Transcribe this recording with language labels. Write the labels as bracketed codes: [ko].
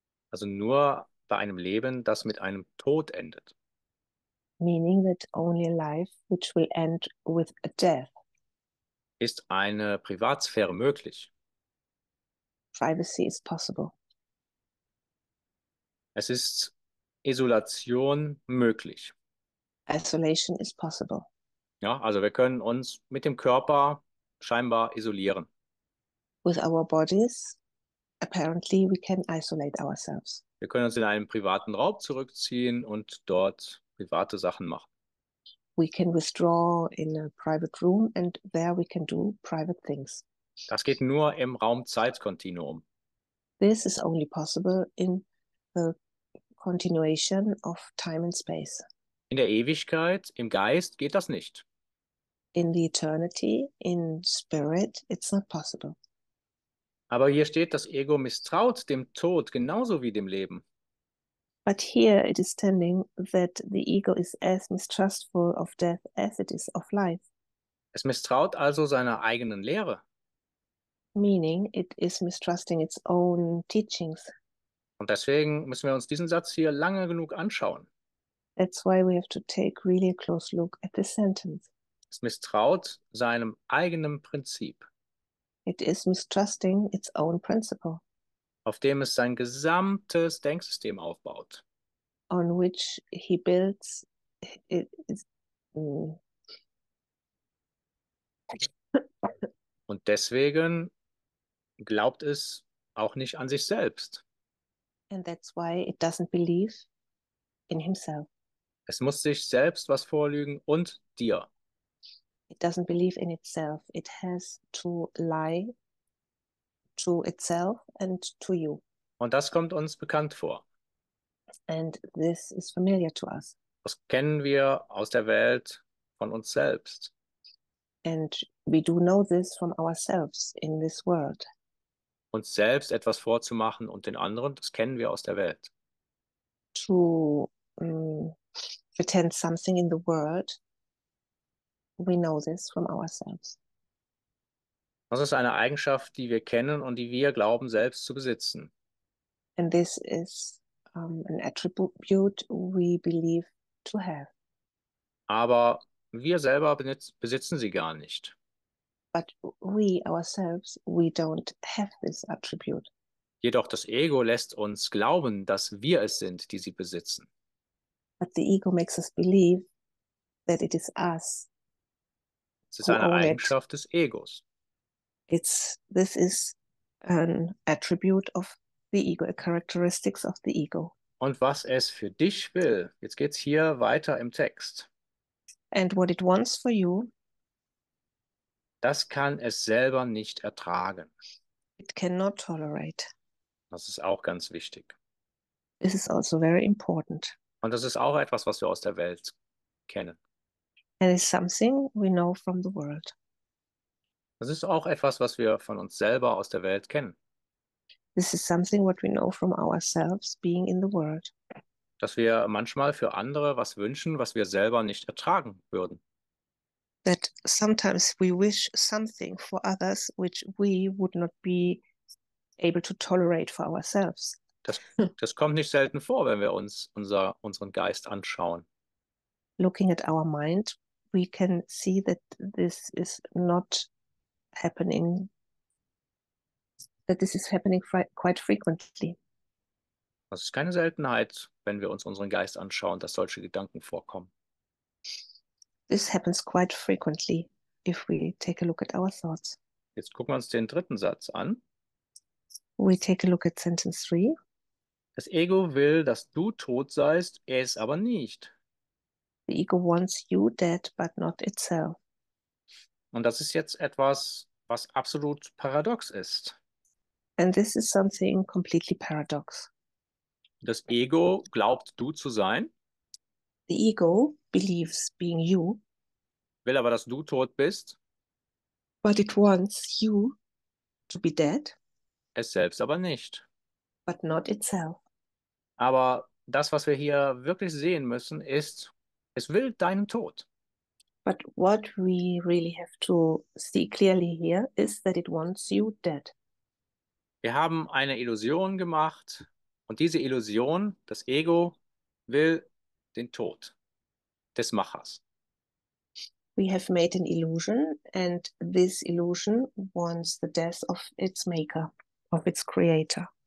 [de] Also nur bei einem Leben, das mit einem Tod endet. [en] Meaning that only a life which will end with a death. [de] Ist eine Privatsphäre möglich? [en] Privacy is possible. [de] Es ist Isolation möglich. [en] Isolation is possible. [de] Ja, also wir können uns mit dem Körper scheinbar isolieren. [en] With our bodies, apparently we can isolate ourselves. [de] Wir können uns in einen privaten Raum zurückziehen und dort private Sachen machen. [en] We can withdraw in a private room and there we can do private things. [de] Das geht nur im Raum-Zeit-Kontinuum. [en] This is only possible in the continuation of time and space. [de] In der Ewigkeit, im Geist, geht das nicht. [en] In the eternity, in spirit, it's not possible. [de] Aber hier steht, das Ego misstraut dem Tod genauso wie dem Leben. [en] But here it is standing that the ego is as mistrustful of death as it is of life. [de] Es misstraut also seiner eigenen Lehre. [en] Meaning it is mistrusting its own teachings. [de] Und deswegen müssen wir uns diesen Satz hier lange genug anschauen. [en] That's why we have to take really a close look at this sentence. [de] Es misstraut seinem eigenen Prinzip. [en] It is mistrusting its own principle. [de] Auf dem es sein gesamtes Denksystem aufbaut. [en] On which he builds it. [de] Und deswegen glaubt es auch nicht an sich selbst. [en] And that's why it doesn't believe in himself. [de] Es muss sich selbst was vorlügen und dir. [en] It doesn't believe in itself. It has to lie to itself and to you. [de] Und das kommt uns bekannt vor. [en] And this is familiar to us. [de] Das kennen wir aus der Welt von uns selbst. [en] And we do know this from ourselves in this world. [de] Uns selbst etwas vorzumachen und den anderen, das kennen wir aus der Welt. [en] To pretend something in the world, we know this from ourselves. [de] Das ist eine Eigenschaft, die wir kennen und die wir glauben, selbst zu besitzen. [en] And this is an attribute we believe to have. [de] Aber wir selber besitzen sie gar nicht. [en] But we ourselves, we don't have this attribute. [de] Jedoch das Ego lässt uns glauben, dass wir es sind, die sie besitzen. [en] But the ego makes us believe that it is us. [de] Es ist eine Eigenschaft des Egos. [en] This is an attribute of the ego, a characteristics of the ego. [de] Und was es für dich will, jetzt geht's hier weiter im Text. [en] And what it wants for you, [de] das kann es selber nicht ertragen. [en] It cannot tolerate. [de] Das ist auch ganz wichtig. [en] This is also very important. [de] Und das ist auch etwas, was wir aus der Welt kennen. [en] And it's something we know from the world. [de] Das ist auch etwas, was wir von uns selber aus der Welt kennen. [en] This is something what we know from ourselves being in the world. [de] Dass wir manchmal für andere was wünschen, was wir selber nicht ertragen würden. [en] That sometimes we wish something for others which we would not be able to tolerate for ourselves. [de] Das kommt nicht selten vor, wenn wir uns unseren Geist anschauen. [en] Looking at our mind, we can see that this is not happening, that this is happening quite frequently. [de] Das ist keine Seltenheit, wenn wir uns unseren Geist anschauen, dass solche Gedanken vorkommen. [en] This happens quite frequently if we take a look at our thoughts. [de] Jetzt gucken wir uns den dritten Satz an. [en] We take a look at sentence 3. [de] Das Ego will, dass du tot seist, es aber nicht. [en] The ego wants you dead, but not itself. [de] Und das ist jetzt etwas, was absolut paradox ist. [en] And this is something completely paradox. [de] Das Ego glaubt, du zu sein. [en] The ego believes being you. [de] Will aber, dass du tot bist. [en] But it wants you to be dead. [de] Es selbst aber nicht. [en] But not itself. [de] Aber das, was wir hier wirklich sehen müssen, ist, es will deinen Tod. [en] But what we really have to see clearly here is that it wants you dead. [de] Wir haben eine Illusion gemacht und diese Illusion, das Ego, will den Tod des Machers. [en] We have made an illusion and this illusion wants the death of its maker, of its creator.